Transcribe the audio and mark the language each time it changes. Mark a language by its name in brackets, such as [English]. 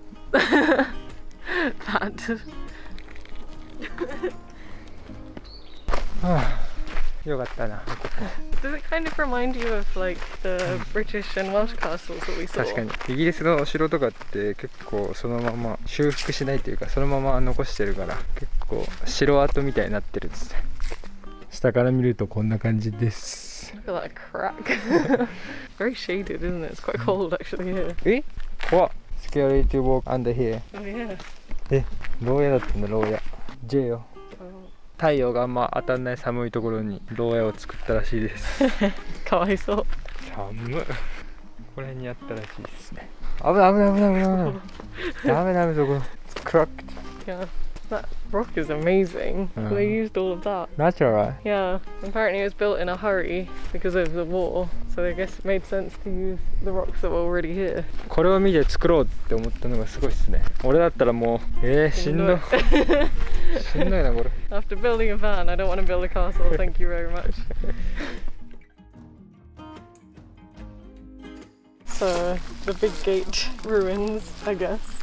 [English] That. Does it kind of remind you of like the British and Welsh castles that we saw? [Japanese] 確かに。イギリスのお城とかって結構そのまま修復しないというかそのまま残してるから結構城跡みたいになってるんですね。下から見るとこんな感じです。 [English] Look at that crack. Very shaded, isn't it? It's quite cold actually here. [Japanese] え？怖っ。 [English] Scary to walk under here. Oh yeah. [Japanese] え、牢屋だったんだ、牢屋。 J よ。太陽があんま当たんない寒いところに牢屋を作ったらしいです。かわいそう。寒い。ここら辺にあったらしいですね。危ない危ない危ない危ない危ない。ダメダメそこ。 [English] Cracked. Yeah, that rock is amazing. They used all of that. Natural. Yeah. Apparently it was built in a hurry because of the war. So I guess it made sense to use the rocks that were already here. [Japanese] これを見て作ろうって思ったのがすごいですね。俺だったらもう、しんど。 [English] After building a van, I don't want to build a castle. Thank you very much. So, the big gate ruins, I guess.